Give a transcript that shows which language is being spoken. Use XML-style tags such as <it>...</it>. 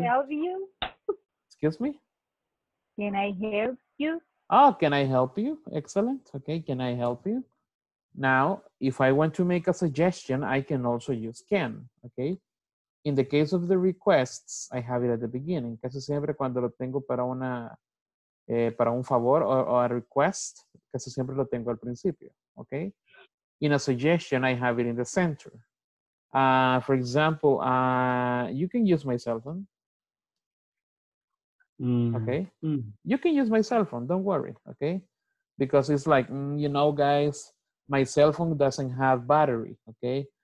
<en>Can I help you? Excuse me? Can I help you? Can I help you? Excellent, okay, can I help you? Now, if I want to make a suggestion, I can also use can, okay? In the case of the requests, I have it at the beginning.</en> <es>Casi siempre cuando lo tengo para un favor o a request, casi siempre lo tengo al principio,</es> <en>okay? In a suggestion, I have it in the center. For example, you can use my cell phone. Okay? You can use my cell phone, don't worry, okay? Because it's like, you know, guys, my cell phone doesn't have battery, okay?</en>